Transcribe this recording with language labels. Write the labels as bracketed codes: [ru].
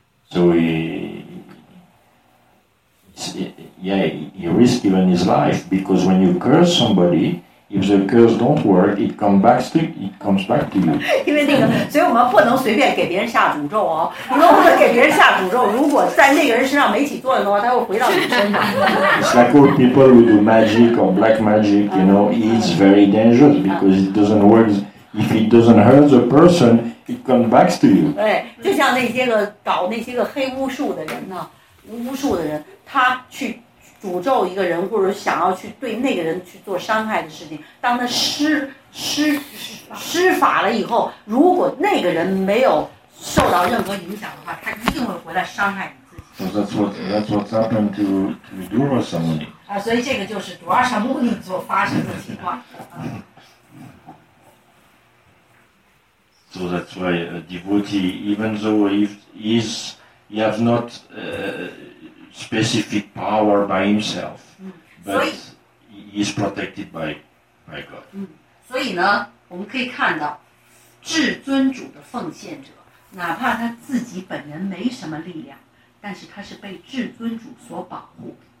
[en] So he risked even his life, because when you curse somebody, if the curse don't work, it comes back to you. [zh] 因为那个，所以我们不能随便给别人下诅咒哦。如果我们给别人下诅咒，如果在那个人身上没起作用的话，他会回到你身上。 [en] It's like old people who do magic or black magic, you know, it's very dangerous because it doesn't work. If it doesn't hurt the person,It comes back to you. [zh] 对，就像那些个搞那些个黑巫术的人呢，巫术的人，他去诅咒一个人，或者想要去对那个人去做伤害的事情，当他施法了以后，如果那个人没有受到任何影响的话，他一定会回来伤害你自己。 [en] So that's what happened to Dhruva Samuni. [zh] 所以这个就是 Dhruva Samuni 所发生的情况。 [en] So that's why a devotee, even though he has not specific power by himself, but he is protected by God. [zh] 所以呢，我们可以看到，至尊主的奉献者，哪怕他自己本人没什么力量，但是他是被至尊主所保护。